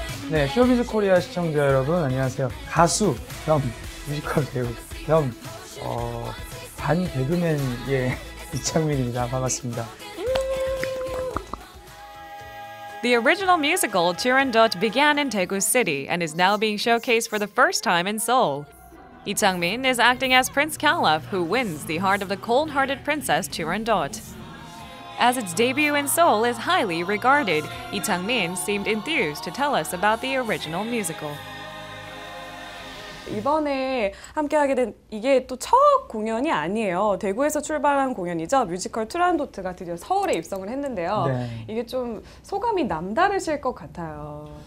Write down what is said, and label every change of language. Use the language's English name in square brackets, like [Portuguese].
[Korean] 네, 쇼비즈 코리아 시청자 여러분, 안녕하세요. 가수 겸 뮤지컬 배우 겸 반 개그맨 예 이창민입니다. 반갑습니다. [English] The original musical Turandot began in Daegu City and is now being showcased for the first time in Seoul. Lee Chang-min is acting as Prince Calef, who wins the heart of the cold-hearted princess Turandot. As its debut in Seoul is highly regarded, Lee Chang-min seemed enthused to tell us about the original musical. [Korean] 이번에 함께하게 된 이게 또 첫 공연이 아니에요. 대구에서 출발한 공연이죠. 뮤지컬 트란도트가 드디어 서울에 입성을 했는데요. 네. 이게 좀 소감이 남다르실 것 같아요.